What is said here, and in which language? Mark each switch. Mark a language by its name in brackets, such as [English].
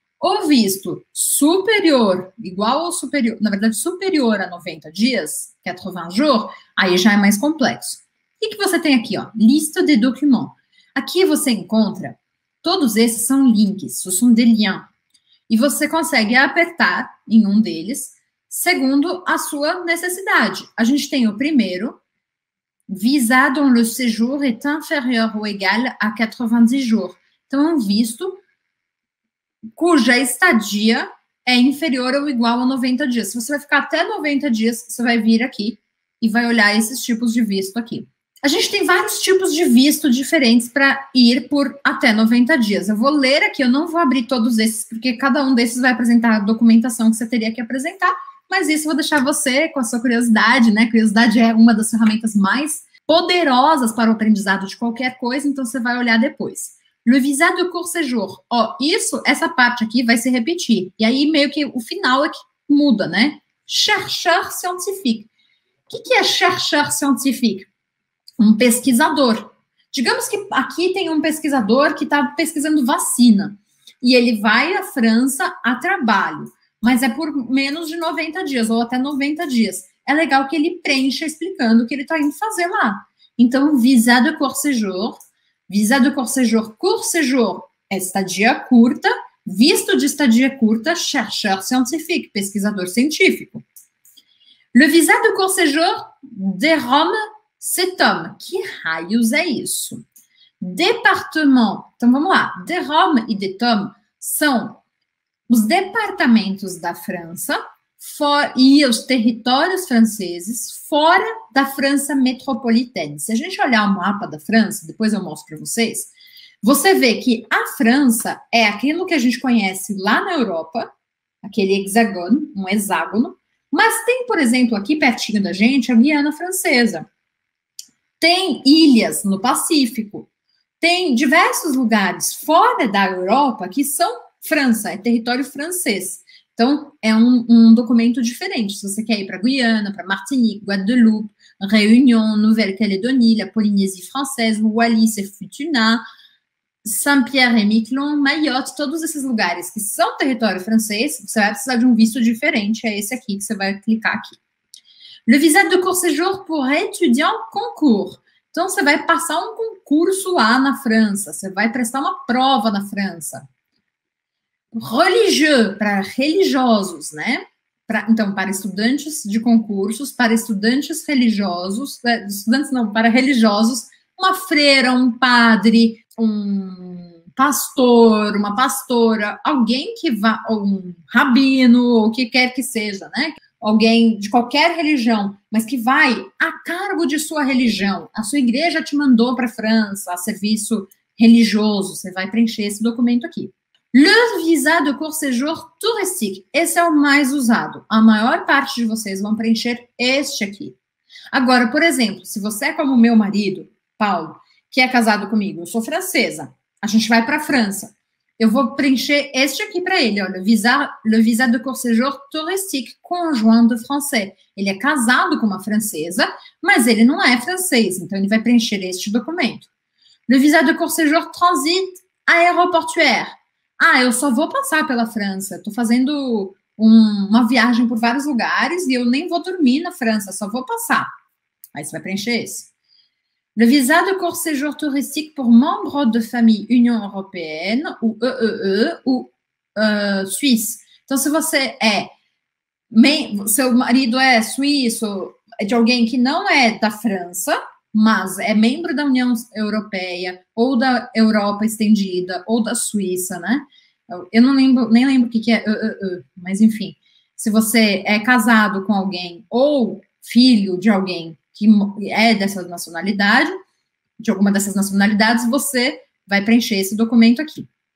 [Portuguese] O visto superior, igual ou superior, na verdade, superior a 90 dias, [French] 80 jours, [Portuguese] aí já é mais complexo. O que você tem aqui, ó? [French] Liste de documents. [Portuguese] Aqui você encontra, todos esses são links, [French] ce sont des liens. [Portuguese] E você consegue apertar em um deles, segundo a sua necessidade. A gente tem o primeiro, [French] visa dont le séjour est inférieur ou égal à 90 jours. [Portuguese] Então, um visto cuja estadia é inferior ou igual a 90 dias. Se você vai ficar até 90 dias, você vai vir aqui e vai olhar esses tipos de visto aqui. A gente tem vários tipos de visto diferentes para ir por até 90 dias. Eu vou ler aqui, eu não vou abrir todos esses, porque cada um desses vai apresentar a documentação que você teria que apresentar. Mas isso eu vou deixar você com a sua curiosidade, né? Curiosidade é uma das ferramentas mais poderosas para o aprendizado de qualquer coisa, então você vai olhar depois. [French] Le visa de court séjour. [Portuguese] Ó, isso, essa parte aqui vai se repetir. E aí meio que o final é que muda, né? [French] Chercheur scientifique. [Portuguese] O que, que é [French] chercheur scientifique? [Portuguese] Um pesquisador. Digamos que aqui tem um pesquisador que está pesquisando vacina. E ele vai à França a trabalho. Mas é por menos de 90 dias, ou até 90 dias. É legal que ele preencha explicando o que ele está indo fazer lá. Então, [French] visa de court séjour. Visa de court séjour [Portuguese] é estadia curta. Visto de estadia curta, [French] chercheur scientifique, [Portuguese] pesquisador científico. [French] Le visa de court séjour de Rome, c'est homme. [Portuguese] Que raios é isso? Département. Então, vamos lá. De Rome e de Tom são os departamentos da França e os territórios franceses fora da França metropolitana. Se a gente olhar o mapa da França, depois eu mostro para vocês, você vê que a França é aquilo que a gente conhece lá na Europa, aquele hexágono, um hexágono, mas tem, por exemplo, aqui pertinho da gente, a Guiana Francesa. Tem ilhas no Pacífico. Tem diversos lugares fora da Europa que são França, é território francês. Então, é um documento diferente. Se você quer ir para Guiana, para Martinique, Guadeloupe, Réunion, Nouvelle-Calédonie, la Polynésie Française, Wallis et Futuna, Saint-Pierre et Miquelon, Mayotte, todos esses lugares que são território francês, você vai precisar de um visto diferente. É esse aqui que você vai clicar aqui. [French] Le visa de court séjour pour étudiant concours. [Portuguese] Então, você vai passar um concurso lá na França. Você vai prestar uma prova na França. Religieux, para religiosos, né? Então, para estudantes de concursos, para estudantes religiosos. Estudantes não, para religiosos. Uma freira, um padre, um pastor, uma pastora. Alguém que vá, ou um rabino, ou o que quer que seja, né? Alguém de qualquer religião, mas que vai a cargo de sua religião. A sua igreja te mandou para a França, a serviço religioso. Você vai preencher esse documento aqui. [French] Le visa de court séjour touristique. [Portuguese] Esse é o mais usado. A maior parte de vocês vão preencher este aqui. Agora, por exemplo, se você é como meu marido, Paulo, que é casado comigo, eu sou francesa, a gente vai para a França. Eu vou preencher este aqui para ele, ó, [French] le visa de court séjour touristique conjoint de français. [Portuguese] Ele é casado com uma francesa, mas ele não é francês, então ele vai preencher este documento. [French] Le visa de court séjour transit aéroportuaire. [Portuguese] Ah, eu só vou passar pela França, estou fazendo uma viagem por vários lugares e eu nem vou dormir na França, só vou passar. Aí você vai preencher esse. [French] Le visa de court séjour touristique pour membre de famille Union Européenne ou EEE ou Suisse. [Portuguese] Então, se você é, seu marido é suíço, é de alguém que não é da França, mas é membro da União Europeia ou da Europa Estendida ou da Suíça, né? Eu não lembro, nem lembro o que é EEE, mas enfim. Se você é casado com alguém ou filho de alguém que é dessa nacionalidade, de alguma dessas nacionalidades, você vai preencher esse documento aqui.